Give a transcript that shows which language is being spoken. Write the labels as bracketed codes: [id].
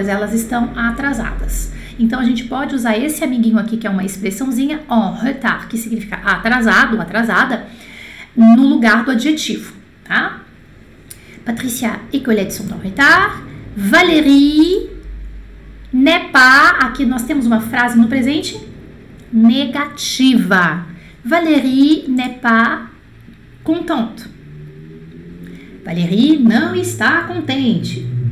[pt] Elas estão atrasadas. Então, a gente pode usar esse amiguinho aqui, que é uma expressãozinha, en retard, que significa atrasado, atrasada, no lugar do adjetivo, tá? [fr] Patricia e Colette sont en retard. Valérie n'est pas. [pt] Aqui nós temos uma frase no presente negativa. [fr] Valérie n'est pas contente. [pt] Valérie não está contente.